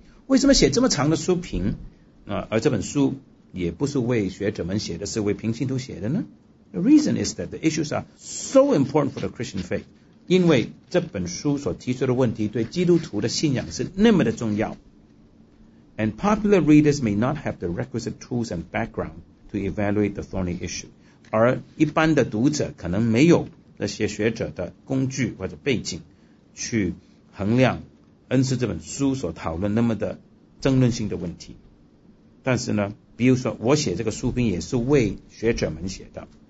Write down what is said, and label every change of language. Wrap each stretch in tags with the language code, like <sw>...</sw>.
<zh>为什么写这么长的书评啊？而这本书也不是为学者们写的是为平信徒写的呢</zh> <en>The reason is that the issues are so important for the Christian faith.</en> <zh>因为这本书所提出的问题对基督徒的信仰是那么的重要。</zh> <en>And popular readers may not have the requisite tools and background to evaluate the thorny issue.</en> <zh>而一般的读者可能没有那些学者的工具或者背景去衡量恩赐这本书所讨论那么的争论性的问题。但是呢，比如说我写这个书评也是为学者们写的。</zh>